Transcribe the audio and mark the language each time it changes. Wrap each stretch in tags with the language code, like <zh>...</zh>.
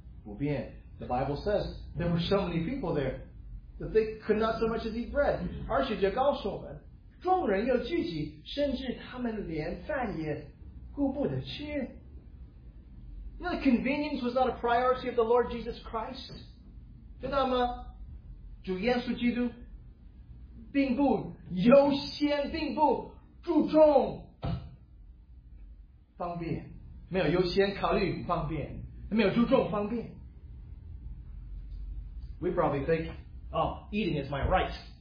<en>Well, bien, the Bible says there were so many people there that they could not so much as eat bread.</en> <zh>而且就告诉我们, 众人又聚集, 甚至他们连饭也顾不得吃。</zh> <en>You know, convenience was not a priority of the Lord Jesus Christ.</en> <zh>知道吗? 主耶稣基督, 并不优先, 并不注重, 方便, 没有优先考虑方便, 没有注重方便。</zh> <en>We probably think, oh, eating is my right.</en>